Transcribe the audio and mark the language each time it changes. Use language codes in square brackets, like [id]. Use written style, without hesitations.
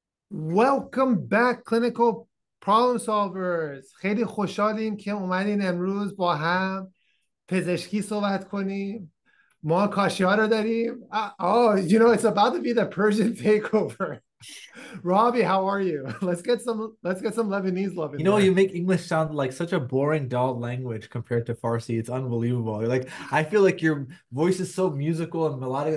[en] Welcome back, clinical problem solvers. [fa] خیلی خوشحالیم که اومدین امروز با هم پزشکی صحبت کنیم. ما کاشی ها رو داریم. [en] Oh, you know, it's about to be the Persian takeover. Robbie, how are you? Let's get some Lebanese love in You know, there. You make English sound like such a boring, dull language compared to Farsi. It's unbelievable. You're like, I feel like your voice is so musical and melodic.